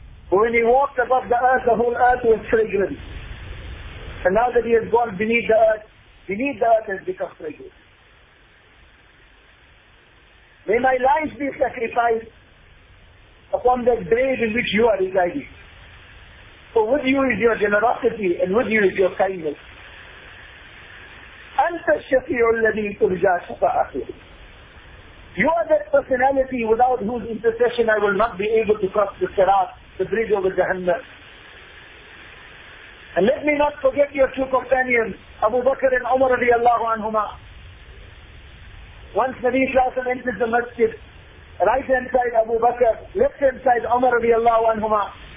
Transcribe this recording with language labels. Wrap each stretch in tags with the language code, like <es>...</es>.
<en>When he walked above the earth, the whole earth was fragrant. And now that he has gone beneath the earth has become fragrant. May my life be sacrificed upon that grave in which you are residing. For with you is your generosity and with you is your kindness.</en> <ar>أنت الشفيع الذي ترجى شفاعته.</ar> <en>You are that personality without whose intercession I will not be able to cross the Sirat, the bridge over Jahannam. And let me not forget your two companions, Abu Bakr and Umar radiallahu anhuma. Once Nabi Shasim entered the masjid, right hand side Abu Bakr, left hand side Umar radiallahu anhuma.</en>